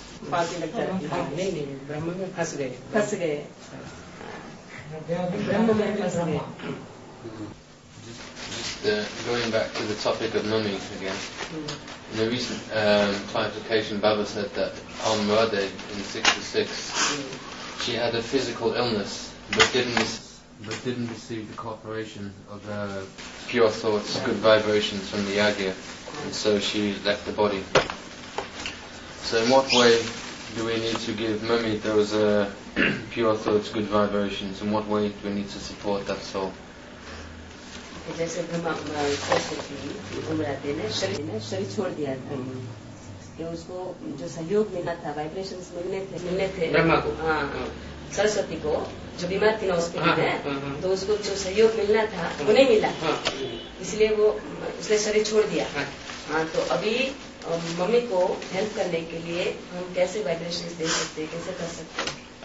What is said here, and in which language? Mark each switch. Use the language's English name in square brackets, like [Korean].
[Hindi] Party लगता है नहीं नहीं ब्रह्म में फंस गए ब्रह्म में फंस गए [English] Going back to the topic of mummies again, in a recent clarification, Baba said that on Radhe in 66, she had a physical illness but didn't receive the cooperation of her pure thoughts, good vibrations from the Yagya, and so she left the body. So in what way do we need to give mummy those pure thoughts, good vibrations, and what way do we need to support that soul? [Hindi] जैसे शरीर छोड़ दिया था उसको जो सहयोग मिला था वाइब्रेशन मिलने थे सरस्वती को जो बीमार थी ना हॉस्पिटल में तो उसको जो सहयोग मिलना था वो नहीं मिला इसलिए वो उसने शरीर छोड़ दिया तो अभी मम्मी को हेल्प करने के लिए हम कैसे वाइब्रेशन दे सकते कैसे कर सकते